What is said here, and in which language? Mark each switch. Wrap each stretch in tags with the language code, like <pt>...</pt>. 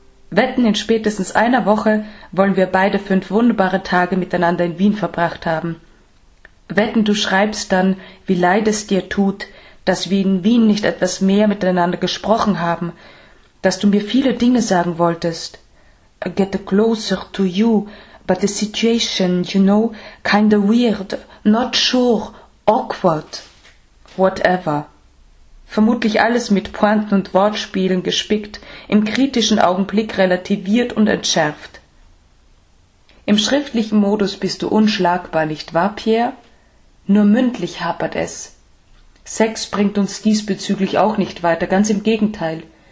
<de>Wetten, in spätestens einer Woche wollen wir beide 5 wunderbare Tage miteinander in Wien verbracht haben. Wetten, du schreibst dann, wie leid es dir tut, dass wir in Wien nicht etwas mehr miteinander gesprochen haben, dass du mir viele Dinge sagen wolltest.</de> <en>I get closer to you, but the situation, you know, kinda weird, not sure, awkward, whatever.</en> <de>Vermutlich alles mit Pointen und Wortspielen gespickt, im kritischen Augenblick relativiert und entschärft. Im schriftlichen Modus bist du unschlagbar, nicht wahr, Pierre? Nur mündlich hapert es. Sex bringt uns diesbezüglich auch nicht weiter, ganz im Gegenteil.</de>